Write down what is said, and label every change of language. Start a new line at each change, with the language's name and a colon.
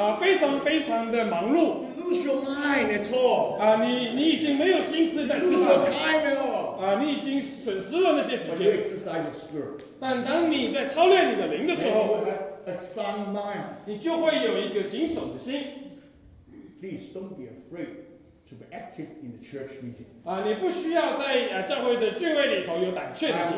Chinese: 非常非常的忙碌。
English: You lose your mind at all.
Chinese: 你已经没有心思在思考。
English: You lose your time at all.
Chinese: 你已经损失了那些时间。
English: But you exercise your spirit.
Chinese: 但当你在操练你的灵的时候,
English: a sound mind.
Chinese: 你就会有一个谨守的心。
English: Please don't be afraid to be active in the church meeting.
Chinese: 你不需要在教会的聚会里头有胆怯的心。